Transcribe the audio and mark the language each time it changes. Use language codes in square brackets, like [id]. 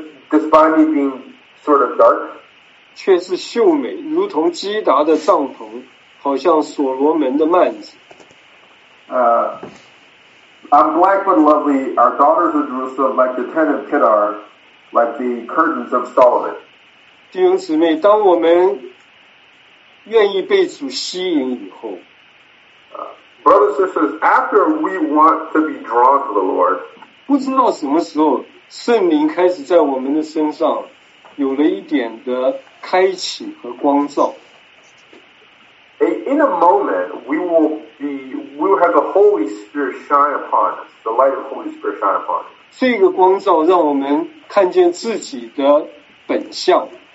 [en] Despite me being sort of dark. [zh] 却是秀美，如同基达的帐篷，好像所罗门的幔子。 [en] I'm black but lovely, our daughters of Jerusalem like the tent of Kedar, like the curtains of Solomon. [zh] 弟兄姊妹，当我们愿意被主吸引以后。 [en] Brothers and sisters, after we want to be drawn to the Lord, [zh] 不知道什么时候圣灵开始在我们的身上有了一点的开启和光照。 [en] In a moment, we will have the Holy Spirit shine upon us, the light of the Holy Spirit shine upon us. [zh] 这个光照让我们看见自己的本相。